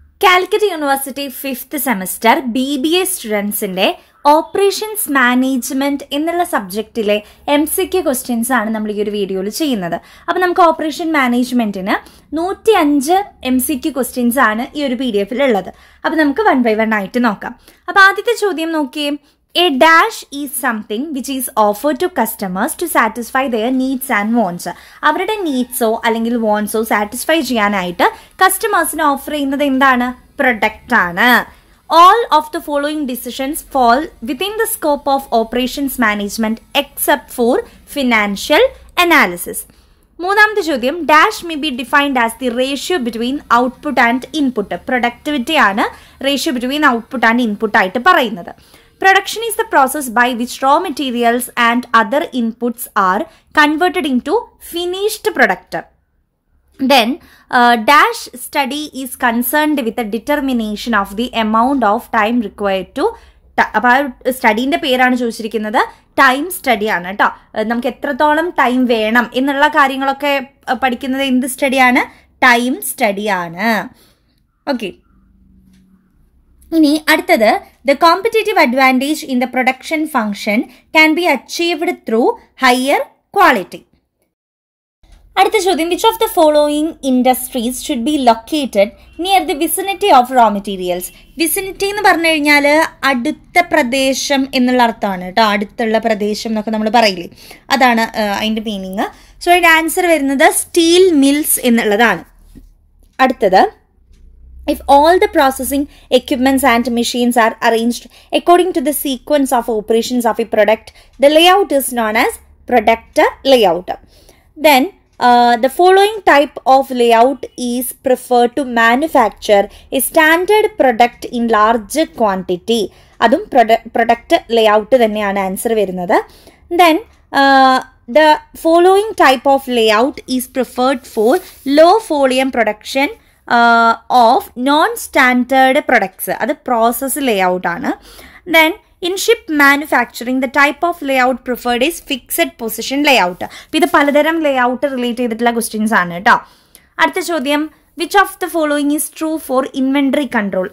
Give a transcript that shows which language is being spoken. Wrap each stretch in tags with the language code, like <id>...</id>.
<ml>Calicut university fifth semester BBA സ്റ്റുഡൻസിന്റെ operations management എന്നുള്ള സബ്ജക്റ്റിലെ MCQ questions ആണ് നമ്മൾ ഈ ഒരു വീഡിയോയിൽ ചെയ്യുന്നത്. അപ്പൊ നമുക്ക് ഓപ്പറേഷൻ മാനേജ്മെന്റിന് 105 MCQ ക്വസ്റ്റ്യൻസ് ആണ് ഈ ഒരു PDF ഉള്ളത്. അപ്പൊ നമുക്ക് 1 by 1 ആയിട്ട് നോക്കാം. അപ്പൊ ആദ്യത്തെ ചോദ്യം നോക്കിയേ,</ml> <en>A dash is something which is offered to customers to satisfy their needs and wants.</en> <ml>അവരുടെ നീഡ്സോ അല്ലെങ്കിൽ വോൺസോ സാറ്റിസ്ഫൈ ചെയ്യാനായിട്ട് കസ്റ്റമേഴ്സിന് ഓഫർ ചെയ്യുന്നത് എന്താണ്? പ്രൊഡക്റ്റ് ആണ്.</ml> <en>All of the following decisions fall within the scope of operations management except for financial analysis.</en> <ml>മൂന്നാമത്തെ ചോദ്യം,</ml> <en>Dash may be defined as the ratio between output and input. Productivity ആണ് ratio between output and input ആയിട്ട് പറയുന്നത്. Production is the process by which raw materials and other inputs are converted into finished product. Then, dash study is concerned with the determination of the amount of time required to</en> <ml>സ്റ്റഡീന്റെ പേരാണ് ചോദിച്ചിരിക്കുന്നത്, time study ആണ് കേട്ടോ. നമുക്ക് എത്രത്തോളം time വേണം എന്നുള്ള കാര്യങ്ങളൊക്കെ പഠിക്കുന്നത് എന്ത് സ്റ്റഡിയാണ്? ടൈം സ്റ്റഡിയാണ്. ഓക്കെ, ഇനി അടുത്തത്,</ml> <en>The competitive advantage in the production function can be achieved through higher quality.</en> <ml>അടുത്ത ചോദ്യം,</ml> <en>Which of the following industries should be located near the vicinity of raw materials.</en> <ml>Vicinity എന്ന് പറഞ്ഞു കഴിഞ്ഞാൽ അടുത്ത പ്രദേശം എന്നുള്ള അർത്ഥമാണ് കേട്ടോ. അടുത്തുള്ള പ്രദേശം എന്നൊക്കെ നമ്മൾ പറയില്ലേ, അതാണ് അതിൻ്റെ മീനിങ്. സോ അതിൻ്റെ ആൻസർ വരുന്നത് സ്റ്റീൽ മിൽസ് എന്നുള്ളതാണ്. അടുത്തത്,</ml> <en>If all the processing equipments and machines are arranged according to the sequence of operations of a product, the layout is known as product layout. Then, the following type of layout is preferred to manufacture a standard product in large quantity.</en> <ml>Adum product layout thanneyana answer varunathu.</ml> <en>Then, the following type of layout is preferred for low volume production. Of non standard products, അത് process layout ആണ്. Then in ship manufacturing the type of layout preferred is fixed position layout.</en> <ml>ഇത് പലതരം ലേ out relate ചെയ്തിട്ടുള്ള questions ആണ് കേട്ടോ. അടുത്ത ചോദ്യം,</ml> <en>Which of the following is true for inventory control.</en>